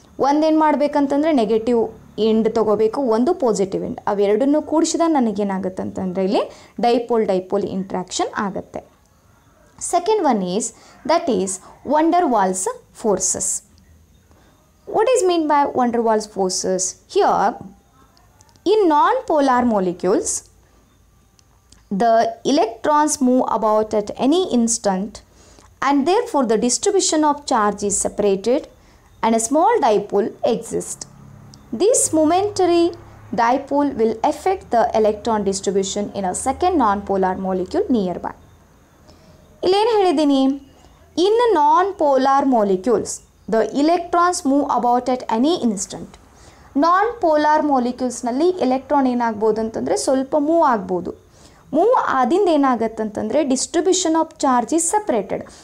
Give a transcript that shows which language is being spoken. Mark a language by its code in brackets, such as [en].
[kn] ಒಂದೇನು ಮಾಡಬೇಕಂತಂದರೆ negative end ತೊಗೋಬೇಕು, ಒಂದು ಪಾಸಿಟಿವ್ ಎಂಡ್. ಅವೆರಡನ್ನು ಕೂಡಿಸಿದಾಗ ನನಗೇನಾಗುತ್ತೆ ಅಂತಂದರೆ ಇಲ್ಲಿ ಡೈಪೋಲ್ ಡೈಪೋಲ್ ಇಂಟ್ರಾಕ್ಷನ್ ಆಗುತ್ತೆ. [en] Second one is that is van der Waals forces. What is mean by van der Waals forces? Here in non polar molecules the electrons move about at any instant and therefore the distribution of charge is separated and a small dipole exists. This momentary dipole will affect the electron distribution in a second non-polar molecule nearby. [kn] ಇಲ್ಲೇನು ಹೇಳಿದ್ದೀನಿ, [en] In non polar molecules the electrons move about at any instant. [kn] Non polar ಮೊಲಿಕ್ಯೂಲ್ಸ್ನಲ್ಲಿ electron ಏನಾಗ್ಬೋದು ಅಂತಂದರೆ ಸ್ವಲ್ಪ move ಆಗ್ಬೋದು. Move ಆದಿಂದ ಏನಾಗುತ್ತೆ ಅಂತಂದರೆ [en] Distribution of charge is separated.